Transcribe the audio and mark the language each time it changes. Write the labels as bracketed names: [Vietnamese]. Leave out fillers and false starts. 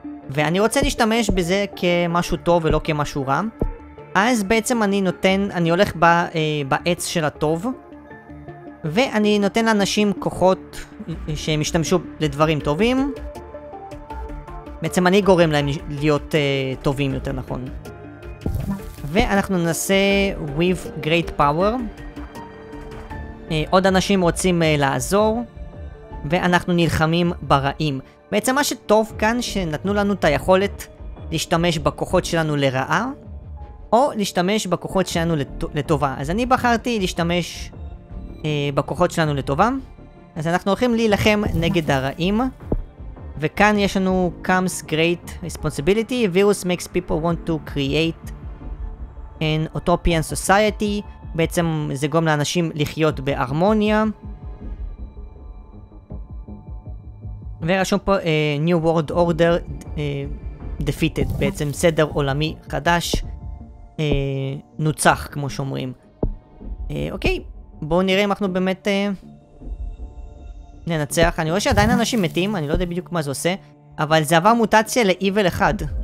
[Hebrew] ואני רוצה להשתמש בזה כמשהו טוב ולא כמשהו רע. אז בעצם אני נותן, אני הולך בעץ של הטוב. ואני נותן לאנשים כוחות שהם ישתמשו לדברים טובים. בעצם אני גורם להם להיות טובים יותר נכון. ואנחנו נעשה [English] With Great Power. [Hebrew] עוד אנשים רוצים לעזור. ואנחנו נלחמים ברעים. בעצם מה שטוב כאן, שנתנו לנו את היכולת להשתמש בכוחות שלנו לרעה, או להשתמש בכוחות שלנו לטובה. אז אני בחרתי להשתמש בכוחות שלנו לטובה. אז אנחנו הולכים להילחם נגד הרעים. וכאן יש לנו [English] comes great responsibility. Virus makes people want to create an utopian society. [Hebrew] בעצם זה גורם לאנשים לחיות בהרמוניה. ורשום פה [English] New World Order defeated. [Hebrew] בעצם סדר עולמי חדש נוצח, כמו שאומרים. אוקיי, בואו נראה אם אנחנו באמת ננצח. אני רואה שעדיין אנשים מתים, אני לא יודע בדיוק מה זה עושה, אבל זה עבר מוטציה לאיבל אחד.